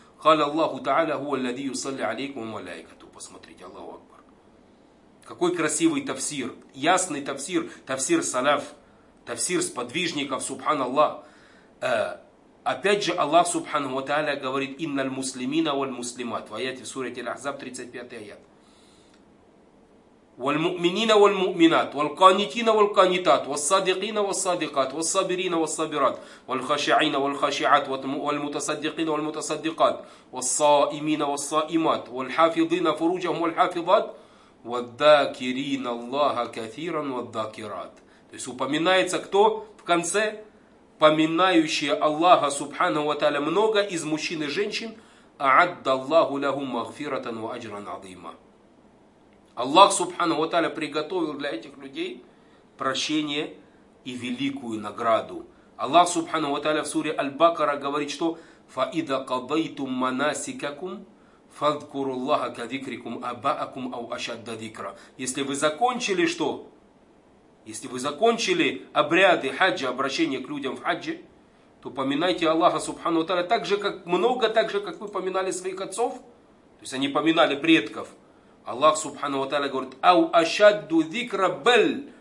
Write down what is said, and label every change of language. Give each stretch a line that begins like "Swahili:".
Arabic: Хал Аллаху Тааля ху аллади юсалли алейкум ва малаикату.
Russian: Посмотрите,
Arabic: Аллаху Акбар.
Russian: Какой красивый тафсир, ясный тафсир, тафсир саляф, тафсир сподвижников, субханаллах. Опять же, Аллах Субхану ва Тааля говорит,
Arabic: инна аль-муслимина валь-муслимат,
Russian: в аяте в суре Аль-Ахзаб, 35 аят.
Arabic: والمؤمنين والمؤمنات والقانتين والقانتات والصادقين والصادقات والصابرين والصابرات والخاشعين والخاشعات والمتصدقين والمتصدقات والصائمين والصائمات والحافظين فروجهم والحافظات والذاكرين الله كثيرا والذاكرات.
Russian: То есть упоминается кто в конце? Поминающие Аллаха Субхану ва Тааля много из мужчин и женщин.
Arabic: أعدّ الله لهم مغفرة وأجرا عظيما.
Russian: Аллах Субхану ва Тааля приготовил для этих людей прощение и великую награду. Аллах Субхану ва Тааля в суре Аль-Бакара говорит, что
Arabic: فَإِذَا قَضَيْتُمْ مَنَاسِكَكُمْ فَذْكُرُ اللَّهَ كَذِكْرِكُمْ أَبَاءَكُمْ أَوْ أَشَدَّ ذِكْرًا.
Russian: Если вы закончили что? Если вы закончили обряды хаджа, обращение к людям в хаджи, то поминайте Аллаха Субхану ва Тааля так же, как много, так же, как вы поминали своих отцов. То есть они поминали предков. Аллах Субхану ва Тааля говорит,
Arabic: «Ау ашадду зикра бель».